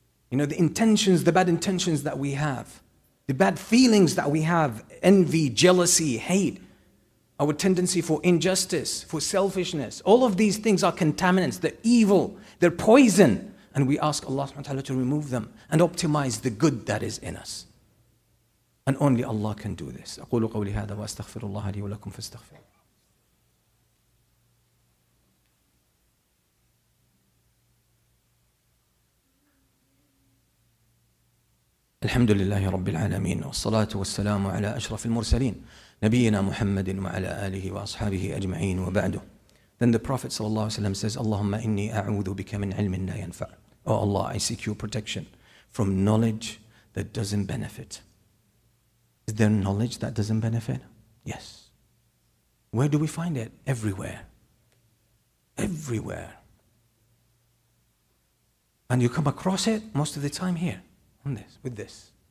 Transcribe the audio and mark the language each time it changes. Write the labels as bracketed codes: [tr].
[en] you know, the intentions, the bad intentions that we have, the bad feelings that we have, envy, jealousy, hate, our tendency for injustice, for selfishness, all of these things are contaminants, they're evil, they're poison, and we ask Allah subhanahu wa ta'ala to remove them and optimize the good that is in us. And only Allah can do this. [ar] أقول قولي هذا وأستغفر الله لي ولكم فاستغفر. الحمد لله رب العالمين والصلاة والسلام على أشرف المرسلين نبينا محمد وعلى آله وأصحابه أجمعين وبعده. [en] Then the Prophet [ar] صلى الله عليه وسلم [en] says, [ar] اللهم إني أعوذ بك من علم لا ينفع. [en] Oh Allah, I seek your protection from knowledge that doesn't benefit. Is there knowledge that doesn't benefit? Yes. Where do we find it? Everywhere. Everywhere. And you come across it most of the time here, on this, with this.